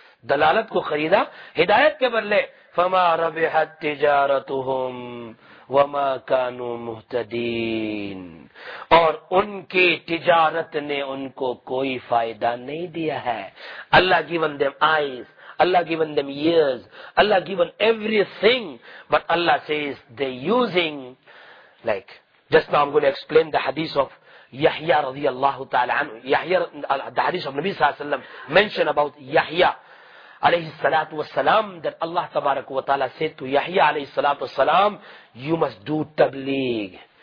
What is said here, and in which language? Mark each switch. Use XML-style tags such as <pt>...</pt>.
<ur>دلالت کو خریدا ہدایت کے بدلے.</ur> <ar>فما ربحت تجارتهم وما كانوا مهتدين.</ar> <ur>اور ان کی تجارت نے ان کو کوئی فائدہ نہیں دیا ہے.</ur> <en>Allah given them eyes, Allah given them ears, Allah given everything, but Allah says they using, like just now I'm going to explain the hadith of Yahya</en> <ar>رضی اللہ تعالی عنہ.</ar> <en>Yahya, the hadith of Nabi</en> <ar>صلی اللہ علیہ وسلم</ar> <en>mentioned about Yahya</en> <ar>alayhi salatu wa salam,</ar> <en>that Allah tabarak wa ta'ala said to Yahya</en> <ar>alayhi salatu wa salam,</ar> <en>you must do tabligh.</en>